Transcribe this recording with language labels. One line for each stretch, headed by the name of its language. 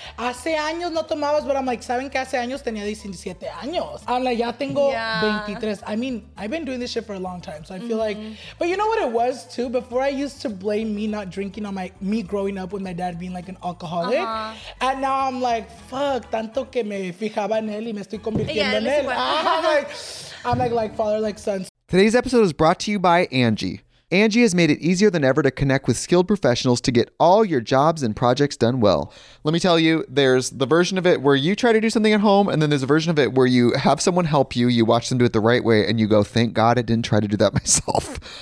Spanish: Hace años no tomabas,
English: but I'm like,
Spanish: ¿saben que hace años tenía 17 años?
English: I'm like,
Spanish: ya tengo 23.
English: I mean, I've been doing this shit for a long time. So I feel but you know what it was too? Before I used to blame me not drinking on me growing up with my dad being an alcoholic. Uh-huh. And now I'm like,
Spanish: fuck, tanto que me fijaba en él y me estoy convirtiendo en él.
English: I'm like father, like son. Today's episode is brought to you by Angie. Angie has made it easier than ever to connect with skilled professionals to get all your jobs and projects done well. Let me tell you, there's the version of it where you try to do something at home, and then there's a version of it where you have someone help you, you watch them do it the right way, and you go, thank God I didn't try to do that myself.